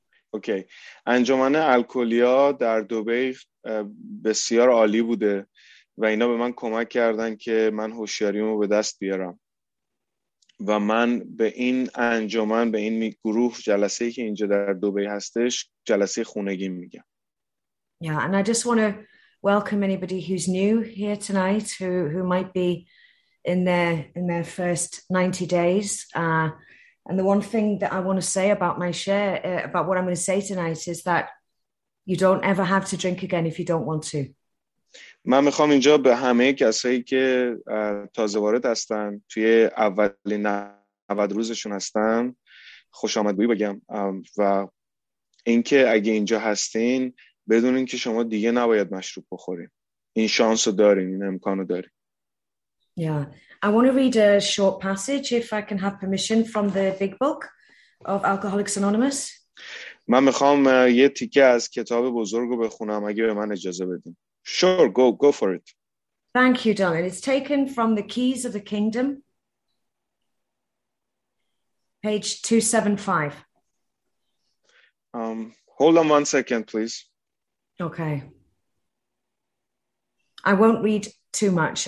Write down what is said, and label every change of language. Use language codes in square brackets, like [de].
[fa] اوکی انجمن الکلیا در دبی بسیار عالی بوده و اینا به من کمک کردن که من هوشیاریمو به دست بیارم و من به این انجمن به این گروه جلسه ای که اینجا در دبی هستش جلسه خونگی میگم. [en] Yeah, and I just want to welcome anybody who's new here tonight who might be in their first 90 days. And the one thing that I want to say about my share, about what I'm going to say tonight is that you don't ever have to drink again if you don't want to. [fa] من میخوام اینجا به همه کسایی که تازه وارد هستن توی اولین 90 روزشون هستن خوش آمدگویی بگم و اینکه اگه اینجا هستین بدونین که شما دیگه نباید مشروب بخورین. این شانس رو دارین، این امکان رو دارین. [en] Yeah, I want to read a short passage if I can have permission from the big book of Alcoholics Anonymous. [fa] من میخوام یه تیکه از کتاب بزرگ رو بخونم اگه به من اجازه بدین. [en] Sure, go for it. Thank you, darling. It's taken from the Keys of the Kingdom, page 275. Hold on one second, please. Okay. I won't read too much.